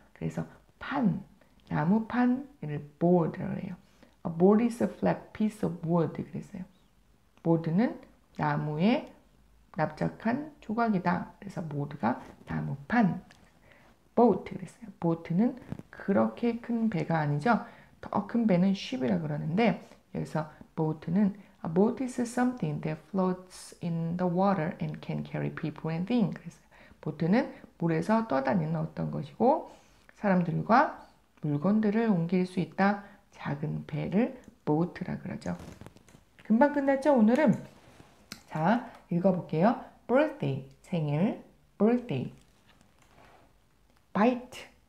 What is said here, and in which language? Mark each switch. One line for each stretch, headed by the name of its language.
Korean: 그래서 판, 나무판을 board라고 해요.
English: A board is a flat piece of wood
Korean: 그랬어요. board는 나무의 납작한 조각이다. 그래서 보드가 나무판. 보트 그랬어요. 보트는 그렇게 큰 배가 아니죠. 더큰 배는 ship이라 그러는데 여기서 보트는
English: A boat is something that floats in the water and can carry people and things.
Korean: 보트는 물에서 떠다니는 어떤 것이고 사람들과 물건들을 옮길 수 있다. 작은 배를 보트라 그러죠. 금방 끝났죠, 오늘은? 자, 읽어볼게요.
English: Birthday,
Korean: 생일.
English: Birthday. Bite.